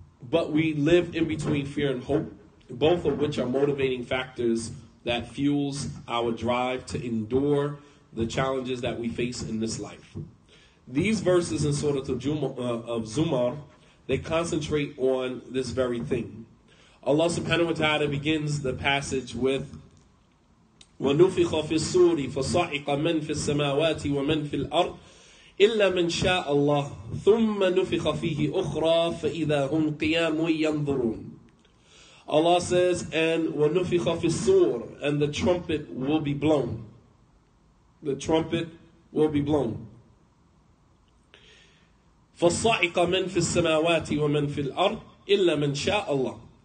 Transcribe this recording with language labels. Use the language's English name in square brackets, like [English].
[English] But we live in between fear and hope, both of which are motivating factors that fuels our drive to endure the challenges that we face in this life. These verses in Surah of Zumar, they concentrate on this very thing. Allah subhanahu wa ta'ala begins the passage with, [Arabic] وَنُفِخَ فِي السُّورِ فَصَعِقَ مَنْ فِي السَّمَاوَاتِ وَمَنْ فِي الْأَرْضِ إِلَّا مَنْ شَاءَ اللَّهُ ثُمَّ نُفِخَ فِيهِ أُخْرَى فَإِذَا هُمْ قِيَامٌ يَنْظُرُونَ. [English] Allah says, and [Arabic] وَنُفِخَ فِي السُّورِ, [English] and the trumpet will be blown. The trumpet will be blown. [Arabic] فَصَعِقَ مَنْ فِي السَّمَاوَاتِ وَمَنْ فِي الْأَرْضِ إِلَّا مَنْ شَاءَ اللَّهُ.